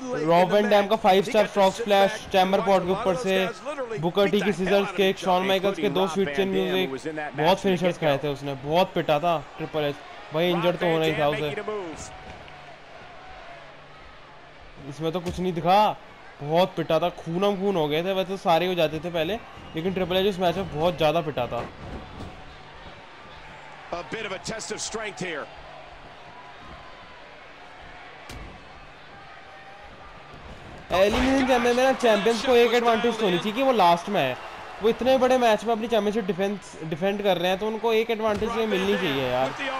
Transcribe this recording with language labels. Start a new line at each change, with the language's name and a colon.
Hindi: Rob and dam का 5 star frog splash chamber pot के ऊपर से, बुकर टी की सीजर्स केक, शॉन माइकल्स के दो स्वीट चेन म्यूजिक, बहुत फिनिशर्स खाए थे उसने, बहुत पिटा था ट्रिपल एच भाई। इंजर्ड तो हो रही था उसे, इसमें तो कुछ नहीं दिखा, बहुत पिटा था, खूनम खून हो गए थे वैसे, सारे हो जाते थे पहले, लेकिन ट्रिपल एच इस मैच में बहुत ज्यादा पिटा था।
English: A bit of a test of strength here.
Hindi: Elimination chamber में ना चैंपियंस को एक एडवांटेज होनी चाहिए कि वो लास्ट में है, वो इतने बड़े मैच में अपनी चैंपियनशिप डिफेंड कर रहे हैं, तो उनको एक एडवांटेज मिलनी चाहिए यार।